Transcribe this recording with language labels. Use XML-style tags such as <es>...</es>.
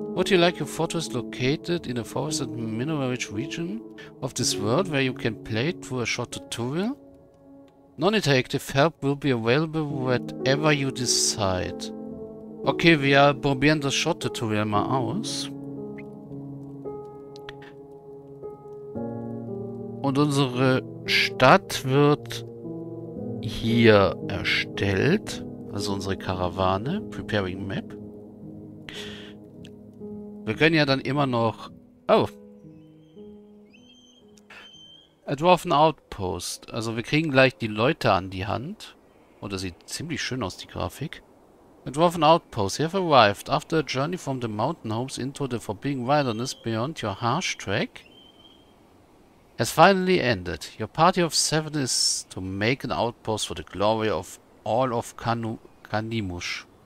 <en>Would you like your fortress located in a forested mineral-rich region of this world where you can play through a short tutorial? Non-interactive help will be available whatever you decide.</en> <de>Okay, wir probieren das Short Tutorial mal aus. Und unsere Stadt wird hier erstellt, also unsere Karawane,</de> <en>Preparing Map.</en> <de>Wir können ja dann immer noch. Oh!</de> <en>A Dwarven Outpost.</en> <de>Also, wir kriegen gleich die Leute an die Hand. Oh, das sieht ziemlich schön aus, die Grafik.</de> <en>A Dwarven Outpost. You have arrived after a journey from the mountain homes into the forbidden wilderness beyond your harsh track. Has finally ended. Your party of seven is to make an outpost for the glory of all of Kanimush.</en>